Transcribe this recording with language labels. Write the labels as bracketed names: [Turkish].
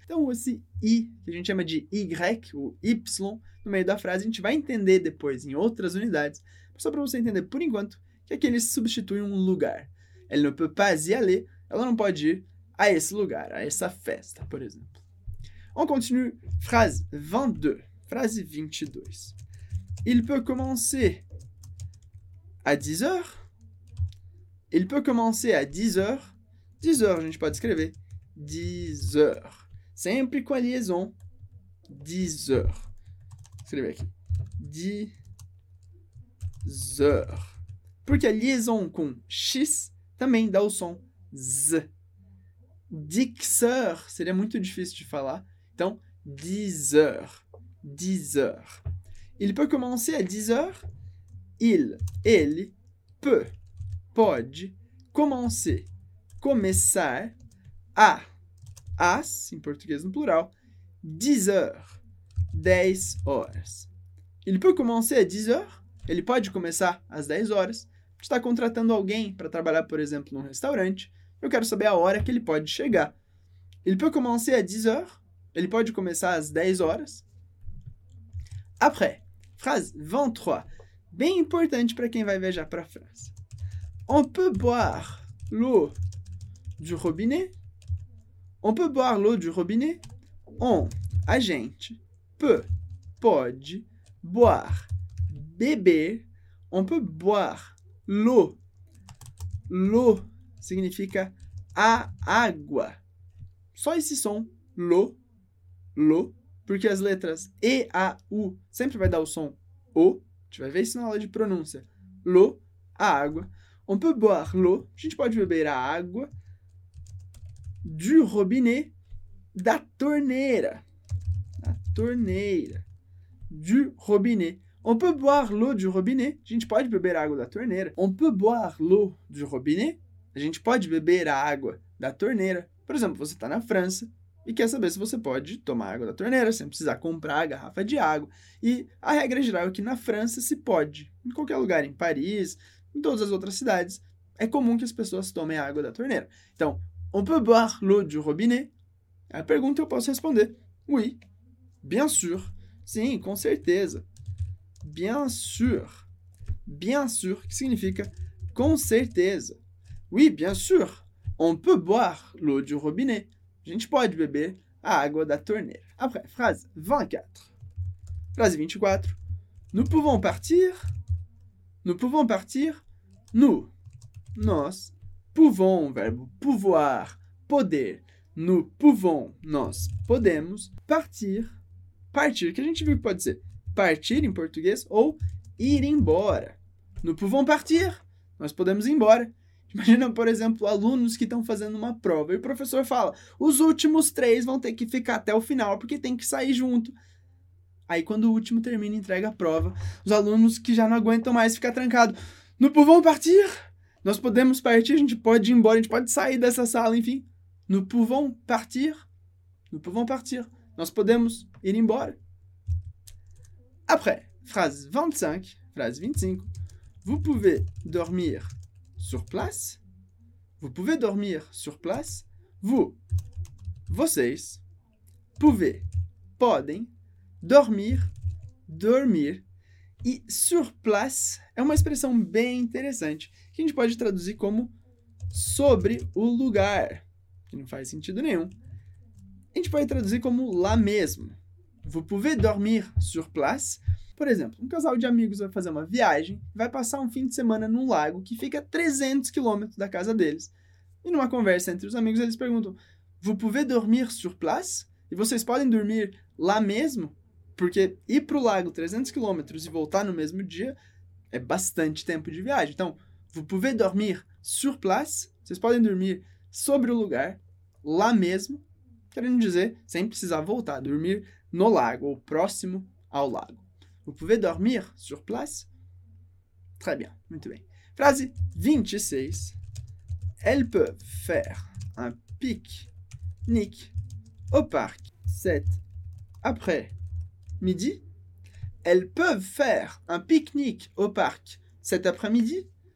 [Portuguese] Então, esse y, que a gente chama de y, o y, no meio da frase, a gente vai entender depois em outras unidades. Só para você entender, por enquanto, que aqui ele substitui um lugar. [French] Elle ne peut pas y aller. [Portuguese] Ela não pode ir a esse lugar, a essa festa, por exemplo. [French] On continue. Phrase 22. Phrase 22. Il peut commencer à 10 heures. Il peut commencer à 10 heures. [Portuguese] 10 heures, a gente pode escrever. 10 heures. Sempre com a liaison. 10 heures. Escrever aqui. 10 heures. Porque a liaison com X também dá o som Z. Dixer seria muito difícil de falar. Então, 10 heures. 10 heures. [French] Il peut commencer à 10 heures? [Portuguese] Ele [French] peut, [Portuguese] pode, começar a, em português no plural, 10 heures. 10 horas. [French] Il peut commencer à 10 heures? [Portuguese] Ele pode começar às 10 horas. Você está contratando alguém para trabalhar, por exemplo, num restaurante. Eu quero saber a hora que ele pode chegar. [French] Il peut commencer à 10 heures? [Portuguese] Ele pode começar às 10 horas? [French] Après, phrase 23. [Portuguese] Bem importante para quem vai viajar para a França. [French] On peut boire l'eau du robinet? On peut boire l'eau du robinet? On, [Portuguese] a gente, [French] peut, [Portuguese] pode, [French] boire, [Portuguese] beber. [French] On peut boire l'eau. L'eau [Portuguese] significa a água. Só esse som, l'eau, l'eau, porque as letras E, A, U sempre vai dar o som O. A gente vai ver isso na aula de pronúncia. L'eau, a água. [French] On peut boire l'eau. [Portuguese] A gente pode beber a água. [French] Du robinet, [Portuguese] da torneira. Da torneira. [French] Du robinet. On peut boire l'eau du robinet. [Portuguese] A gente pode beber a água da torneira. [French] On peut boire l'eau du robinet. [Portuguese] A gente pode beber a água da torneira. Por exemplo, você está na França e quer saber se você pode tomar água da torneira sem precisar comprar a garrafa de água. E a regra geral é que na França se pode. Em qualquer lugar, em Paris, em todas as outras cidades, é comum que as pessoas tomem a água da torneira. Então, [French] on peut boire l'eau du robinet? [Portuguese] É a pergunta que eu posso responder. [French] Oui, bien sûr. [Portuguese] Sim, com certeza. [French] Bien sûr. Bien sûr, [Portuguese] que significa com certeza. [French] Oui, bien sûr. On peut boire l'eau du robinet. [Portuguese] A gente pode beber a água da torneira. [French] Après, phrase 24. Phrase 24. Nous pouvons partir. Nous pouvons partir. Nous. [Portuguese] Nós. [French] Pouvons. [Portuguese] Verbo [French] pouvoir. [Portuguese] Poder. [French] Nous pouvons. [Portuguese] Nós podemos. Partir. Partir. Que a gente viu que pode ser partir em português ou ir embora. [French] Nous pouvons partir. [Portuguese] Nós podemos ir embora. Imagina, por exemplo, alunos que estão fazendo uma prova e o professor fala, os últimos três vão ter que ficar até o final porque tem que sair junto. Aí quando o último termina e entrega a prova, os alunos que já não aguentam mais ficar trancados, [French] nous pouvons partir, [Portuguese] nós podemos partir, a gente pode ir embora, a gente pode sair dessa sala, enfim. [French] Nous pouvons partir, nous pouvons partir, [Portuguese] nós podemos ir embora. [French] Après, phrase 25, phrase 25, vous pouvez dormir sur place? Vous pouvez dormir sur place? Vous, [Portuguese] vocês, [French] pouvez, [Portuguese] podem, [French] dormir, dormir. [Portuguese] E sur place é uma expressão bem interessante, que a gente pode traduzir como sobre o lugar, que não faz sentido nenhum. A gente pode traduzir como lá mesmo. [French] Vous pouvez dormir sur place? [Portuguese] Por exemplo, um casal de amigos vai fazer uma viagem, vai passar um fim de semana num lago que fica a 300 quilômetros da casa deles. E numa conversa entre os amigos, eles perguntam, [French] vous pouvez dormir sur place? [Portuguese] E vocês podem dormir lá mesmo? Porque ir para o lago 300 quilômetros e voltar no mesmo dia é bastante tempo de viagem. Então, [French] vous pouvez dormir sur place? [Portuguese] Vocês podem dormir sobre o lugar, lá mesmo, querendo dizer, sem precisar voltar, dormir no lago ou próximo ao lago. [French] Vous pouvez dormir sur place? Très bien, [Portuguese] muito bem. [French] Phrase 26. Elles peuvent faire un pique-nique au parc cet après-midi? Elles peuvent faire un pique-nique au parc cet après-midi?